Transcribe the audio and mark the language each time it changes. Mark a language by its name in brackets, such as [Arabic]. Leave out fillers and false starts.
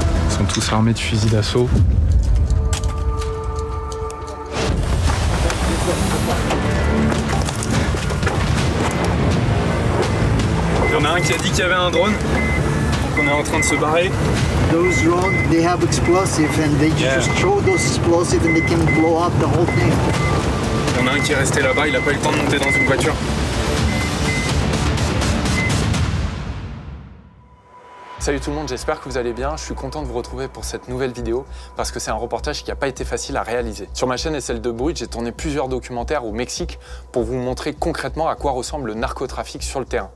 [French] Ils sont tous armés de fusils d'assaut. Qui a dit qu'il y avait un drone, qu'on est en train de se barrer. [English] Those drones, they have explosives and they just throw those explosives and they can blow up the whole thing. [French] Il y en a un qui est resté là-bas, il n'a pas eu le temps de monter dans une voiture. Salut tout le monde, j'espère que vous allez bien. Je suis content de vous retrouver pour cette nouvelle vidéo parce que c'est un reportage qui n'a pas été facile à réaliser. Sur ma chaîne et celle de Brut, j'ai tourné plusieurs documentaires au Mexique pour vous montrer concrètement à quoi ressemble le narcotrafic sur le terrain.